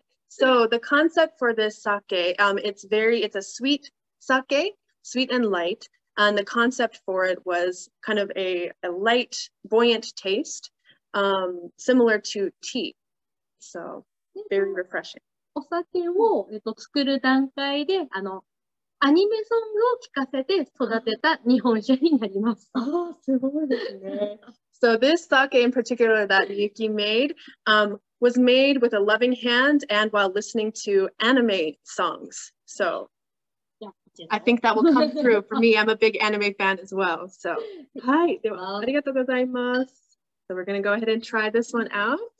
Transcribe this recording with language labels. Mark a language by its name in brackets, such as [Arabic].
[English] So the concept for this sake, it's a sweet sake. Sweet and light, and the concept for it was kind of a light, buoyant taste, similar to tea. So, very refreshing. [Japanese] お酒を作る段階でアニメソングを聴かせて育てた日本酒になります。あ、すごいですね。 [English] So this sake in particular that Yuki made, was made with a loving hand and while listening to anime songs. So, I think that will come through for me. I'm a big anime fan as well. So, hi, [Japanese] ありがとうございます。 [English] So we're gonna go ahead and try this one out.